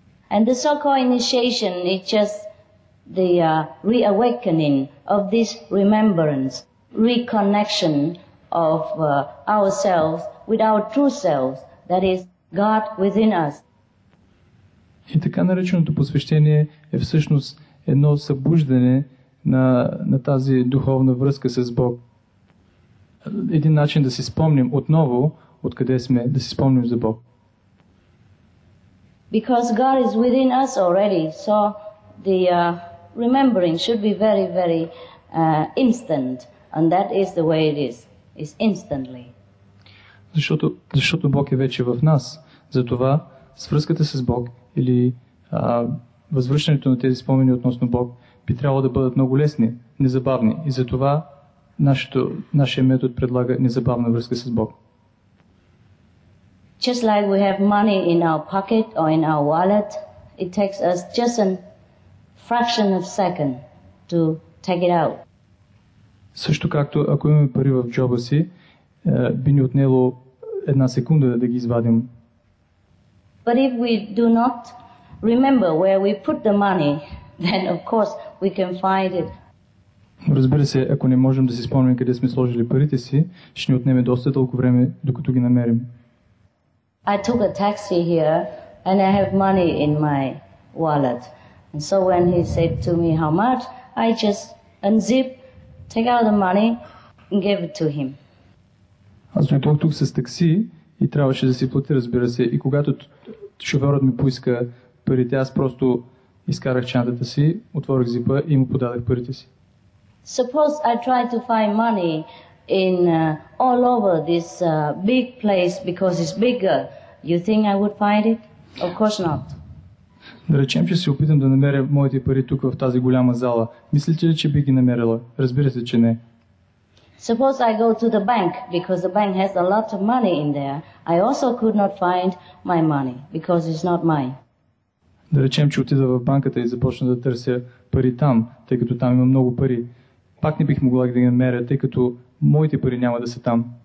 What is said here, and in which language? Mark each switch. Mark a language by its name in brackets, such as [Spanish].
[English] And the so-called initiation is just the reawakening of this remembrance, reconnection of ourselves with our true selves, that is, God within us. [Bulgarian] И така нареченото посвещение е всъщност едно събуждане на тази духовна връзка с Бог. Един начин да си спомним отново откъде сме, да си спомним за Бог. [English] Because God is within us already, so the remembering should be very, very instant. And that is the way it is. It's instantly. [Bulgarian] Защото Бог е вече в нас. Затова свръзката с Бог или възвръщането на тези спомени относно Бог би трябвало да бъдат много лесни, незабавни. И затова нашия метод предлага незабавна връзка с Бог. [English] Just like we have money in our pocket or in our wallet, it takes us just a fraction of second to take it out. [Bulgarian] Също както ако имаме пари в джоба си, би ни отнело една секунда да ги извадим. [English] But if we do not remember where we put the money, then of course we can find it. [Bulgarian] Разбира се, ако не можем да си спомним къде сме сложили парите си, ще ни отнеме доста дълго време, докато ги намерим. [English] I took a taxi here and I have money in my wallet. And so when he said to me how much, I just unzip, take out the money and gave it to him. [Bulgarian] Аз дойдох тук с такси и трябваше да си плати, разбира се. И когато шофьорът ми поиска парите, аз просто изкарах чантата си, отворих зипа и му подадах парите си. [English] Suppose I try to find money in all over this big place because it's bigger. You think I would find it? Of course not. [Bulgarian] Да речем, че се опитам да намеря моите пари тук в тази голяма зала. Мислите ли, че би ги намерила? Разбира се, че не. [English] Suppose I go to the bank because the bank has a lot of money in there. I also could not find my money because it's not mine. [Bulgarian] Да речем, че отида в банката и започна да търся пари там, тъй като там има много пари. Пак не бих могла да ги намеря, тъй като моите пари няма да са там.